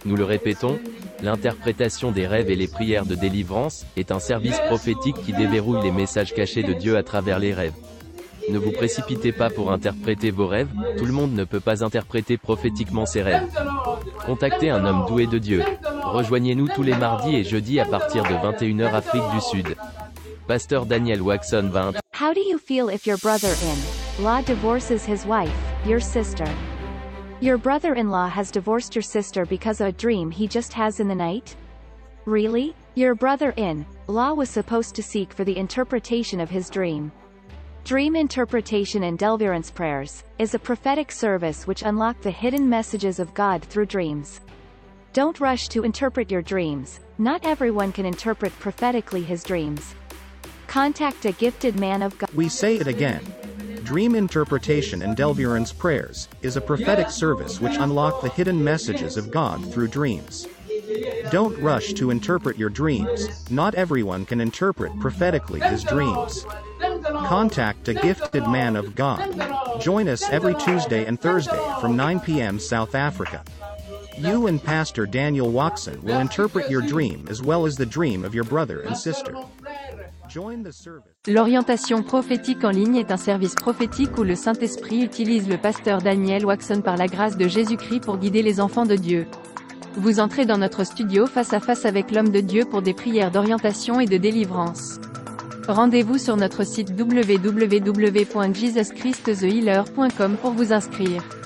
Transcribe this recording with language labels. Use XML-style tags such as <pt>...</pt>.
<fr>Nous le répétons, l'interprétation des rêves et les prières de délivrance est un service prophétique qui déverrouille les messages cachés de Dieu à travers les rêves. Ne vous précipitez pas pour interpréter vos rêves, tout le monde ne peut pas interpréter prophétiquement ses rêves. Contactez un homme doué de Dieu. Rejoignez-nous tous les mardis et jeudis à partir de 21h Afrique du Sud. Pasteur Daniel Waxon 20.</fr> <en>How do you feel if your brother-in-law divorces his wife, your sister? Your brother-in-law has divorced your sister because of a dream he just has in the night? Really? Your brother-in-law was supposed to seek for the interpretation of his dream. Dream Interpretation and Deliverance Prayers is a prophetic service which unlock the hidden messages of God through dreams. Don't rush to interpret your dreams. Not everyone can interpret prophetically his dreams. contact a gifted man of God. We say it again. Dream interpretation and Delvirens prayers is a prophetic service which unlock the hidden messages of God through dreams. Don't rush to interpret your dreams. Not everyone can interpret prophetically his dreams. Contact a gifted man of God. Join us every Tuesday and Thursday from 9 p.m. South Africa. You and Pastor Daniel Watson will interpret your dream as well as the dream of your brother and sister. Join the service.</en> <fr>L'orientation prophétique en ligne est un service prophétique où le Saint-Esprit utilise le pasteur Daniel Watson par la grâce de Jésus-Christ pour guider les enfants de Dieu. Vous entrez dans notre studio face à face avec l'homme de Dieu pour des prières d'orientation et de délivrance. Rendez-vous sur notre site www.jesuschristthehealer.com pour vous inscrire.</fr>